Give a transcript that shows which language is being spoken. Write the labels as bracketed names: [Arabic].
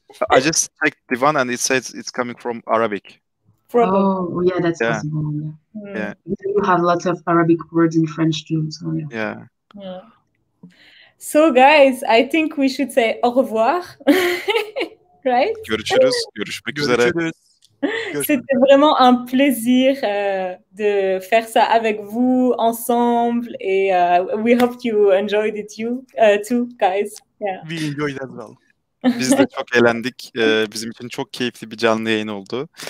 [English] I just checked divan and it says it's coming from Arabic. Probably. Oh, yeah, that's possible. Yeah. You have lots of Arabic words in French too. So, So, guys, I think we should say [French] au revoir. [English] Right? [Turkish] Görüşürüz. Görüşmek üzere. [French] C'était vraiment un plaisir de faire ça avec vous ensemble. [English] Et we hope you enjoyed it too, guys. Yeah. We enjoyed as well. [Turkish] Biz de çok eğlendik. Bizim için çok keyifli bir canlı yayın oldu.